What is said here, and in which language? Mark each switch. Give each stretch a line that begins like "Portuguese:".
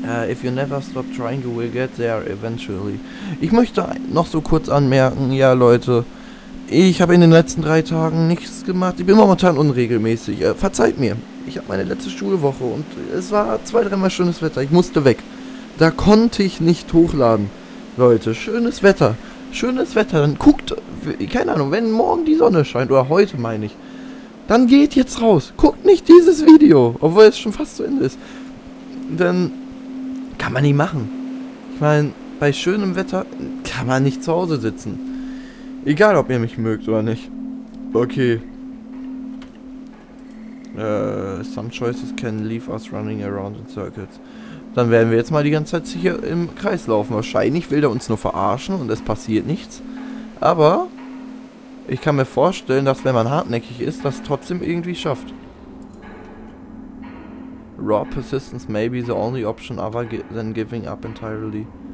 English: If you never stop trying, you will get there eventually.
German: Ich möchte noch so kurz anmerken, ja Leute, ich habe in den letzten 3 Tagen nichts gemacht. Ich bin momentan unregelmäßig. Verzeiht mir. Ich habe meine letzte Schulwoche und es war 2-3 Mal schönes Wetter. Ich musste weg. Da konnte ich nicht hochladen. Leute, schönes Wetter. Schönes Wetter. Dann guckt, keine Ahnung, wenn morgen die Sonne scheint, oder heute meine ich, dann geht jetzt raus. Guckt nicht dieses Video, obwohl es schon fast zu Ende ist. Denn kann man nicht machen. Ich meine, bei schönem Wetter kann man nicht zu Hause sitzen. Egal, ob ihr mich mögt oder nicht. Okay.
English: Some choices can leave us running around in circles.
German: Dann werden wir jetzt mal die ganze Zeit hier im Kreis laufen. Wahrscheinlich will der uns nur verarschen und es passiert nichts. Aber ich kann mir vorstellen, dass wenn man hartnäckig ist, das trotzdem irgendwie schafft.
English: Raw persistence may be the only option other than giving up entirely.